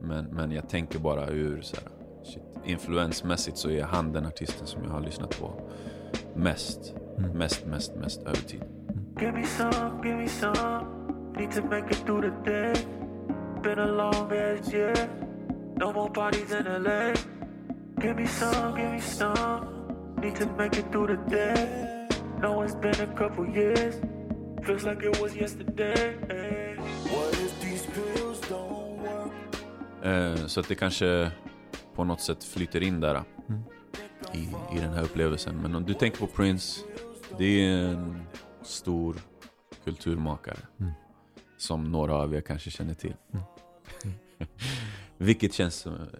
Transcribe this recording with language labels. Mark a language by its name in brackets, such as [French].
[Swedish] Men jag tänker bara ur så här, shit, influensmässigt så är han den artisten som jag har lyssnat på mest. Mm. Mest över tid. [English] Give me some. Need to make it through the day. Been a long ass year. No more parties in LA. Give me some. Need to make it through the day. No, it's been a couple years. Feels like it was yesterday. What if these pills don't work? [Swedish] Så att det kanske på något sätt flyter in där. Mm. I den här upplevelsen. Men om du tänker på Prince, det är en stor kulturmakare. Mm. Som några av er kanske känner till. Mm. Vilket känns som...